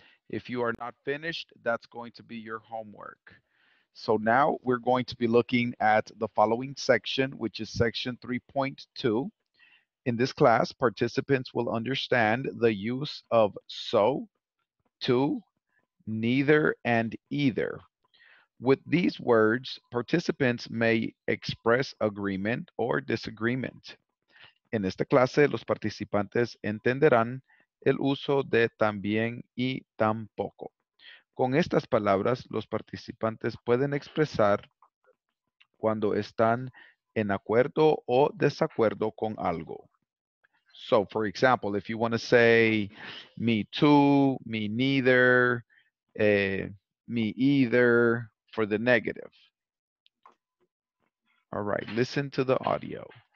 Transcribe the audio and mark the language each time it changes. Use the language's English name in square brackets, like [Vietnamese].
[English] If you are not finished, that's going to be your homework. So now we're going to be looking at the following section, which is section 3.2. In this class, participants will understand the use of so, to, neither, and either. With these words, participants may express agreement or disagreement. [Spanish] En esta clase, los participantes entenderán el uso de también y tampoco. Con estas palabras, los participantes pueden expresar cuando están en acuerdo o desacuerdo con algo. [English] So, for example, if you want to say me too, me neither, me either, for the negative. All right, listen to the audio.